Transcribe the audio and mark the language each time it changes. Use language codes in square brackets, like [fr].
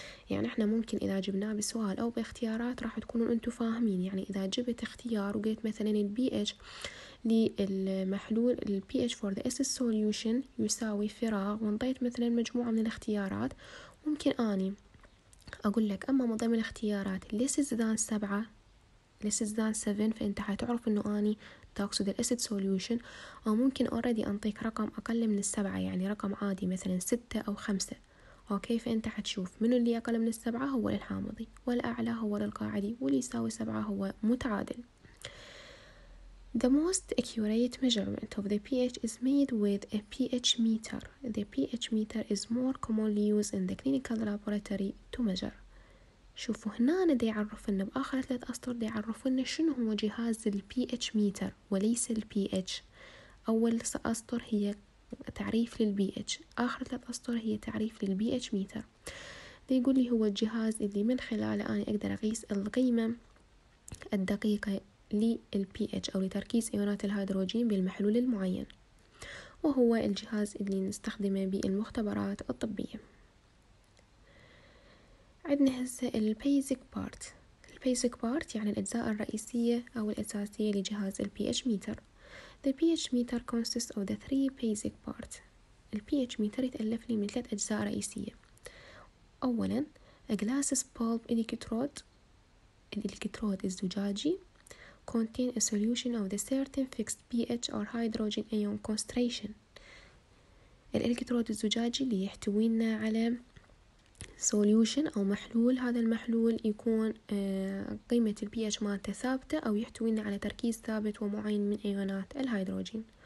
[ar] يعني احنا ممكن اذا جبناه بسؤال او باختيارات راح تكونوا انتوا فاهمين، يعني اذا جبت اختيار وقلت مثلا الـ pH للمحلول الـ [en] pH for the acid solution [ar] يساوي فراغ، ونضيت مثلا مجموعة من الاختيارات، ممكن اني اقول لك اما من ضمن الاختيارات [en] less than 7، [ar] فانت حتعرف انه اني تقصد الـ acid solution، او ممكن اوريدي انطيك رقم اقل من 7 يعني رقم عادي مثلا 6 او 5. اوكي، فانت حتشوف منو اللي اقل من 7 هو الحامضي، والاعلى هو القاعدي، واللي يساوي 7 هو متعادل. [en] The most accurate measurement of the pH is made with a pH meter. The pH meter is more commonly used in the clinical laboratory to measure. [ar] شوفوا هنا دي عرف لنا بآخر ثلاث أسطر دي عرف لنا شنو هو جهاز الـ pH meter وليس الـ pH. أول أسطر هي تعريف للـ pH، آخر ثلاث أسطر هي تعريف للـ pH meter. دي يقول لي هو الجهاز اللي من خلاله أنا أقدر أقيس القيمة الدقيقة للـ pH أو لتركيز إيونات الهيدروجين بالمحلول المعين، وهو الجهاز اللي نستخدمه بالمختبرات الطبية. عندنا هسه الـ basic part. الـ basic part يعني الأجزاء الرئيسية أو الأساسية لجهاز الـ pH meter. [en] The pH meter consists of the three basic parts. [ar] The pH meter يتألف لي من ثلاث أجزاء رئيسية. [en] أولاً a glass bulb electrode. [ar] الإلكترود الزجاجي [en] contain a solution of the certain fixed pH or hydrogen ion concentration. [ar] الإلكترود الزجاجي اللي يحتوينا على solution أو محلول، هذا المحلول يكون قيمة الـ pH مالته ثابتة أو يحتوينا على تركيز ثابت ومعين من أيونات الهيدروجين.